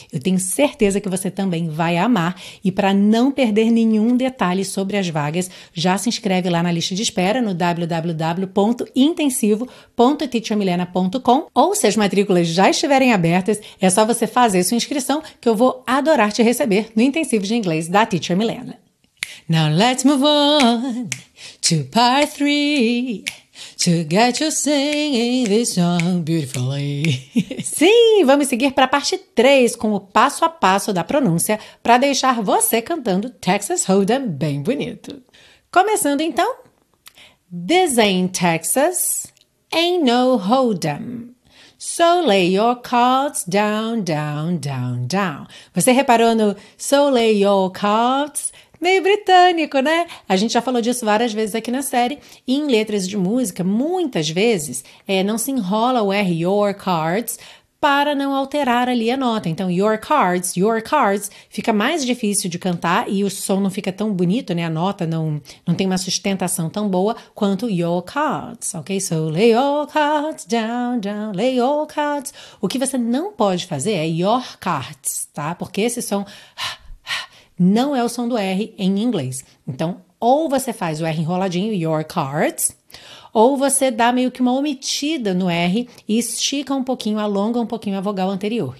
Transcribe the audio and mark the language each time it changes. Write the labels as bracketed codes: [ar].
[pt] Eu tenho certeza que você também vai amar e para não perder nenhum detalhe sobre as vagas, já se inscreve lá na lista de espera no www.intensivo.com. www.teachermilena.com ou se as matrículas já estiverem abertas, é só você fazer sua inscrição que eu vou adorar te receber no Intensivo de Inglês da Tietchan Milena. [en] Now let's move on to part 3 to get you singing this song beautifully. [pt] Sim, vamos seguir para a parte 3 com o passo a passo da pronúncia para deixar você cantando Texas Hold'em bem bonito. Começando então, [en] this ain't Texas, ain't no hold'em. So lay your cards down, down, down, down. [pt] Você reparou no [en] so lay your cards? [pt] Meio britânico, né? A gente já falou disso várias vezes aqui na série. E em letras de música, muitas vezes, não se enrola o R, your cards, para não alterar ali a nota. Então, your cards, fica mais difícil de cantar e o som não fica tão bonito, né? A nota não tem uma sustentação tão boa quanto your cards, ok? [en] So, lay your cards down, down, lay your cards. [pt] O que você não pode fazer é your cards, tá? Porque esse som não é o som do R em inglês. Então, ou você faz o R enroladinho, your cards, ou você dá meio que uma omitida no R e estica um pouquinho, alonga um pouquinho a vogal anterior.